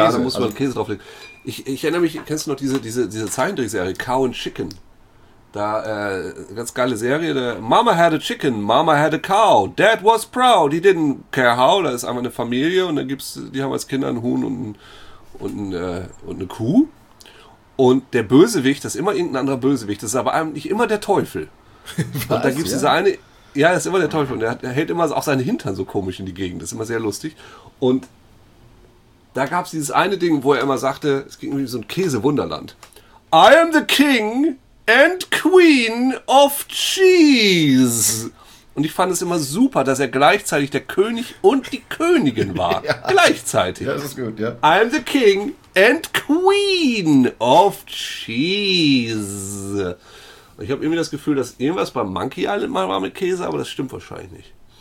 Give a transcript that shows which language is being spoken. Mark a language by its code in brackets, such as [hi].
[de] Ja, da muss man Käse drauflegen. Ich erinnere mich, kennst du noch diese Zeichentrickserie Cow and Chicken? Da, ganz geile Serie. [en] Da, Mama had a chicken, Mama had a cow, Dad was proud, he didn't care how. [de] Da ist einfach eine Familie und dann gibt's, die haben als Kinder einen Huhn und eine Kuh. Und der Bösewicht, das ist immer irgendein anderer Bösewicht, das ist aber eigentlich immer der Teufel. Und da gibt es diese eine, ja, das ist immer der Teufel. Und der hält immer auch seine Hintern so komisch in die Gegend, das ist immer sehr lustig. Und da gab es dieses eine Ding, wo er immer sagte, es ging irgendwie so ein Käse-Wunderland. [en] I am the king and queen of cheese. [de] Und ich fand es immer super, dass er gleichzeitig der König und die Königin war. Ja. Gleichzeitig. Ja, das ist gut, ja. [en] I am the king and queen of cheese. [de] Und ich habe irgendwie das Gefühl, dass irgendwas beim Monkey Island mal war mit Käse, aber das stimmt wahrscheinlich nicht.